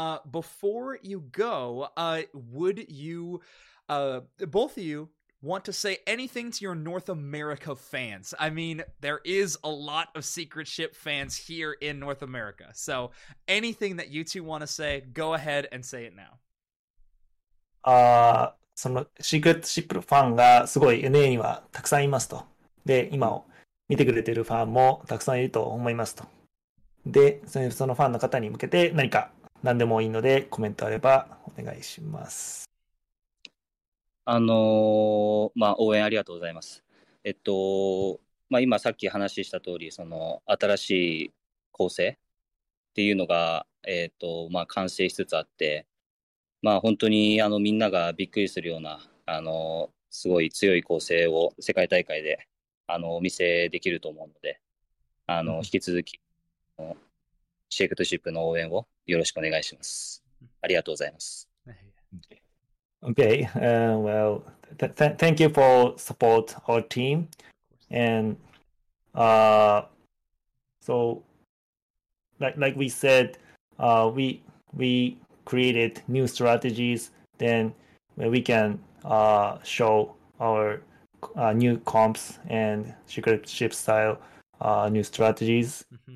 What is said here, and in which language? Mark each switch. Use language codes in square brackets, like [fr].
[en] Before you go, would you, both of you, want to say anything to your North America fans? I mean, there is a lot of Secret Ship fans here in North America. So anything that you two want to say, go ahead and say it now. [ja] そのシークレットシップファンがすごい NA にはたくさんいますと。で、今を見てくれているファンもたくさんいると思いますと。で、そのファンの方に向けて何か何でもいいのでコメントあればお願いします。まあ、応援ありがとうございます。まあ、今さっき話した通り、その新しい構成っていうのが、まあ、完成しつつあって、まあ、本当にみんながびっくりするようなすごい強い構成を世界大会でお見せできると思うので、引き続きシェイクトシップの応援をよろしくお願いします。ありがとうございます。 [en] Okay, well, thank you for support our team. And so like we said, we created new strategies, then we can show our new comps and secret ship style new strategies. Mm-hmm.